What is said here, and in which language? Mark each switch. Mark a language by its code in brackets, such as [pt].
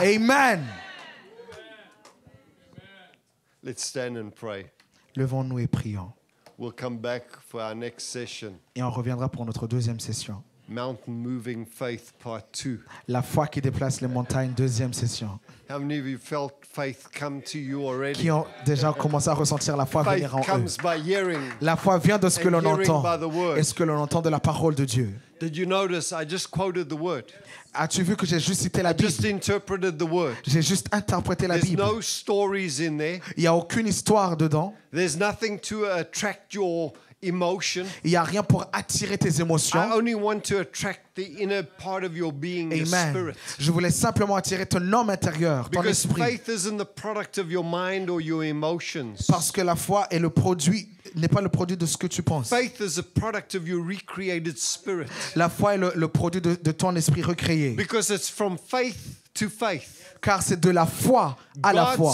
[en] Amen. Let's stand and pray. [fr] Levons-nous et prions. [en] We'll come back for our next session. [fr] Et on reviendra pour notre deuxième session. [en] Mountain Moving Faith Part 2. [fr] La foi qui déplace les montagnes, deuxième session. [en] How many of you felt faith come to you already? [fr] Qui ont déjà commencé à ressentir la foi [en] faith [fr] venir en [en] comes [fr] eux? [en] By hearing [fr] la foi vient de ce que l'on entend [en] by the word. [fr] Et ce que l'on entend de la parole de Dieu. [en] Did you notice I just quoted the word? [fr] As-tu vu que j'ai juste cité la Bible? [en] Just interpreted the word. [fr] J'ai juste interprété la [en] There's [fr] Bible. [en] No stories in there. [fr] Il n'y a aucune histoire dedans. [en] There's nothing to attract your emotion. [fr] Il n'y a rien pour attirer tes émotions. [en] I only want to attract the inner part of your being, amen. Your spirit. [fr] Je voulais simplement attirer ton homme intérieur, ton [en] because [fr] esprit. [en] Faith isn't the product of your mind or your emotions. [fr] Parce que la foi est le produit, n'est pas le produit de ce que tu penses. [en] Faith is a product of your recreated spirit. [fr] La foi est le produit de ton esprit recréé. [en] Because it's from faith to faith. [fr] Car c'est de la foi à la foi.